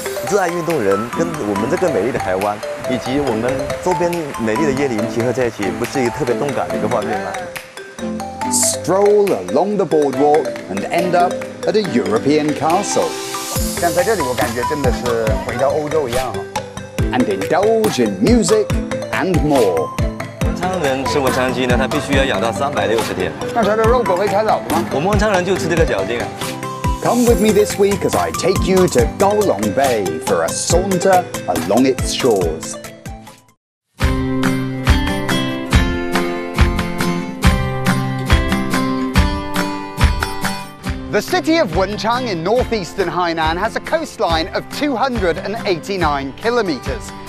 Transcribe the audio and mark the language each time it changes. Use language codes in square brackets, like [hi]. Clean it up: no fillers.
[zh] 热爱运动人跟我们这个美丽的台湾以及我们周边美丽的椰林结合在一起，不是一个特别动感的一个画面吗？ [en] Stroll along the boardwalk and end up at a European castle. [zh] 像在这里，我感觉真的是回到欧洲一样。 [en] And indulge in music and more. [zh] 文昌人吃文昌鸡呢，他必须要养到360天。那他的肉不会太老吗？我们文昌人就吃这个嚼劲。 [en] Come with me this week as I take you to Golong Bay for a saunter along its shores. The city of Wenchang in northeastern Hainan has a coastline of 289 kilometers.